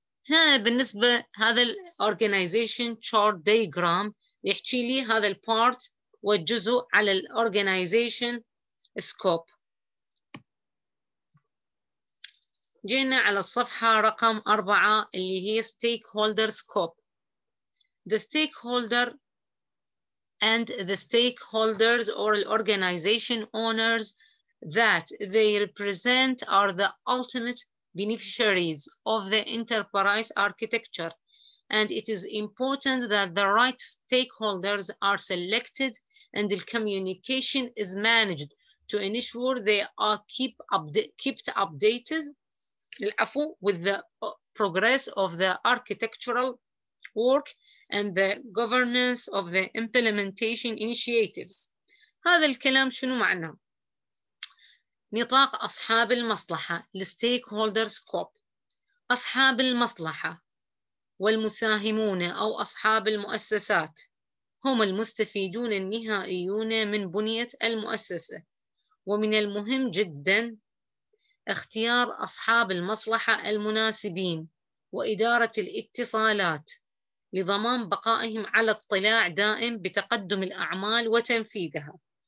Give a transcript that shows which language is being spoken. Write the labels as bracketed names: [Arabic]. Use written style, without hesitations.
[Arabic] هنا بالنسبة هذا الـ organization chart diagram يحكي لي هذا الـ part والجزء على الـ organization scope. جينا على الصفحة رقم 4 اللي هي stakeholder scope. [English] The stakeholder and the stakeholders or organization owners that they represent are the ultimate beneficiaries of the enterprise architecture. And it is important that the right stakeholders are selected and the communication is managed to ensure they are kept updated with the progress of the architectural work and the governance of the implementation initiatives. [Arabic] هذا الكلام شنو معناه؟ نطاق أصحاب المصلحة stakeholder scope. أصحاب المصلحة والمساهمون أو أصحاب المؤسسات هم المستفيدون النهائيون من بنية المؤسسة، ومن المهم جداً اختيار أصحاب المصلحة المناسبين وإدارة الاتصالات لضمان بقائهم على اطلاع دائم بتقدم الأعمال وتنفيذها.